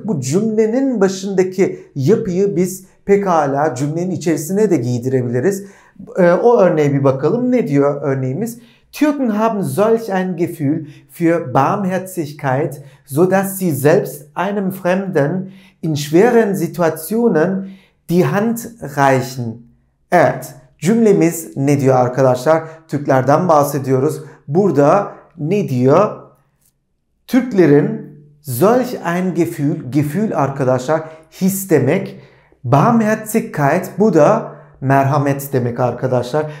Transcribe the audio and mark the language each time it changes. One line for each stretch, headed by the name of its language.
Turkish: Bu cümlenin başındaki yapıyı biz pekala cümlenin içerisine de giydirebiliriz. O örneğe bir bakalım. Ne diyor örneğimiz?
German: Türken haben solch ein Gefühl für Barmherzigkeit, so dass sie selbst einem Fremden in schweren Situationen die Hand reichen.
Turkish: Evet, cümlemiz ne diyor arkadaşlar? Türklerden bahsediyoruz. Burada ne diyor? Türklerin solch ein Gefühl, Gefühl arkadaşlar, his demek. Barmherzigkeit, bu da merhamet demek arkadaşlar.